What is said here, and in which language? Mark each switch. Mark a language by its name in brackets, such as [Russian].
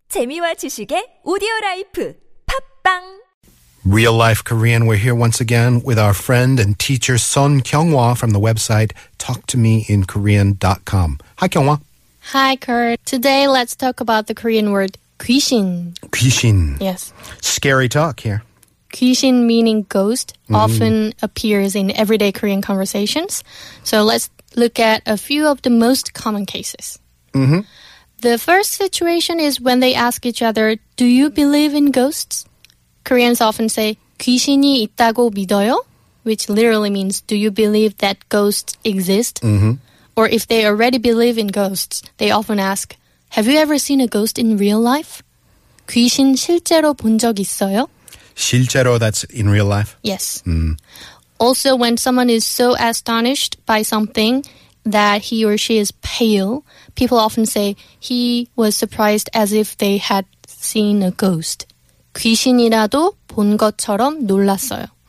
[Korean] 재미와 지식의 오디오 라이프. 팝빵! [English] Real Life Korean, we're here once again with our friend and teacher Son Kyung-hwa from the website talktomeinkorean.com. Hi, Kyung-hwa. Hi, Kurt. Today, let's talk about the Korean word 귀신. [Korean] 귀신. [English] Yes. Scary talk here. 귀신 meaning ghost often appears in everyday Korean conversations. So let's look at a few of the most common cases. Mm-hmm. The first situation is when they ask each other, do you believe in ghosts? Koreans often say, [Korean] 귀신이 있다고 믿어요? [English] Which literally means, do you believe that ghosts exist? Mm-hmm. Or if they already believe in ghosts, they often ask, have you ever seen a ghost in real life? [Korean] 귀신 실제로 본 적 있어요? [English] 실제로, that's in real life? Yes. Mm. Also, when someone is so astonished by something that he or she is pale, people often say, he was surprised as if they had seen a ghost. [Korean] 귀신이라도 본 것처럼 놀랐어요.